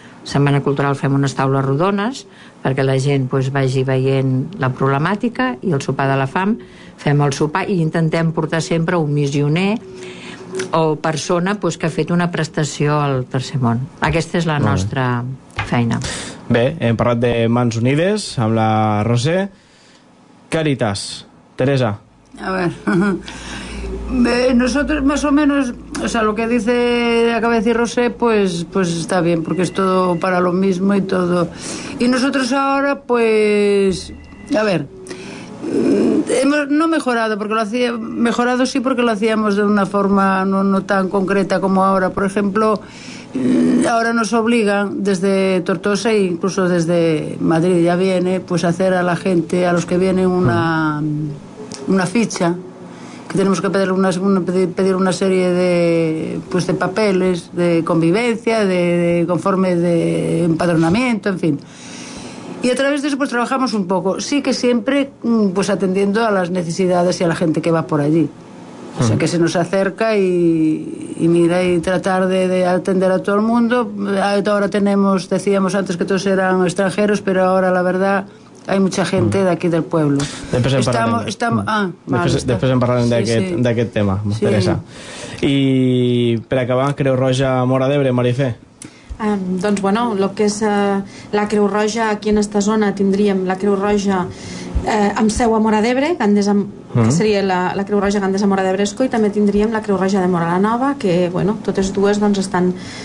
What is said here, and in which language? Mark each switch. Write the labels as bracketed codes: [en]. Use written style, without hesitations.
[ca] Setmana cultural fem unes taules rodones perquè la gent pues, vagi veient la problemàtica i al sopar de la fam fem el sopar i intentem portar sempre un missioner o persona pues, que ha fet una prestació al Tercer Món. Aquesta és la nostra feina. Bé, hem parlat de Mans Unides amb la Roser. Càritas, Teresa. [es] A ver. Nosotros más o menos, o sea, lo que dice, acaba de decir Rosé, pues está bien, porque es todo para lo mismo y todo. Y nosotros ahora, pues, a ver, hemos, no mejorado, porque lo hacía, mejorado sí, porque lo hacíamos de una forma no tan concreta como ahora. Por ejemplo, ahora nos obligan desde Tortosa e incluso desde Madrid ya viene, pues hacer a la gente, a los que vienen, una ficha. Tenemos que pedir una serie de, pues, de papeles de convivencia, de conforme de empadronamiento, en fin. Y a través de eso pues trabajamos un poco. Sí que siempre pues atendiendo a las necesidades y a la gente que va por allí. O sea, que se nos acerca y mira, y tratar de atender a todo el mundo. Ahora tenemos, decíamos antes que todos eran extranjeros, pero ahora la verdad... hay mucha gente de aquí del pueblo. Después [ca] en parlarem d'aquest tema, sí. Teresa. I per acabar, Creu Roja Móra d'Ebre, Marifé. Doncs bueno, lo que és la Creu Roja, aquí [es] en esta zona [ca] tindríem la Creu Roja amb seu a Móra d'Ebre, que seria la Creu Roja Gandesa Móra d'Ebresco, i també tindríem la Creu Roja de Móra la Nova, que bueno, totes dues doncs, estan